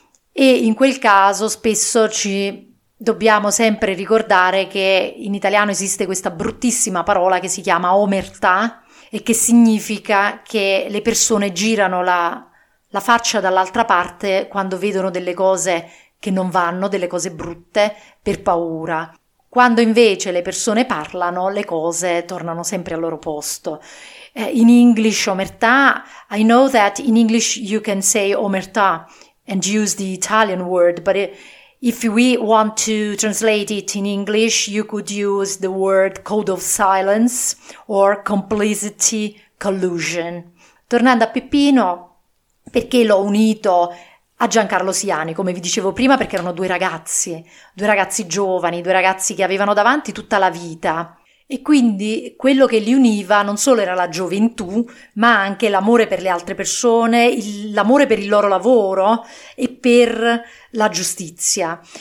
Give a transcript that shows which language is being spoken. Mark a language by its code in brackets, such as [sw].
[it] E in quel caso spesso ci dobbiamo sempre ricordare che in italiano esiste questa bruttissima parola che si chiama omertà e che significa che le persone girano la faccia dall'altra parte quando vedono delle cose che non vanno, delle cose brutte, per paura. Quando invece le persone parlano, le cose tornano sempre al loro posto. [en] In English, omertà, I know that in English you can say omertà and use the Italian word, but if we want to translate it in English, you could use the word code of silence or complicity collusion. [it] Tornando a Peppino, perché l'ho unito a Giancarlo Siani, come vi dicevo prima, perché erano due ragazzi giovani, due ragazzi che avevano davanti tutta la vita. E quindi quello che li univa non solo era la gioventù, ma anche l'amore per le altre persone, l'amore per il loro lavoro e per la giustizia.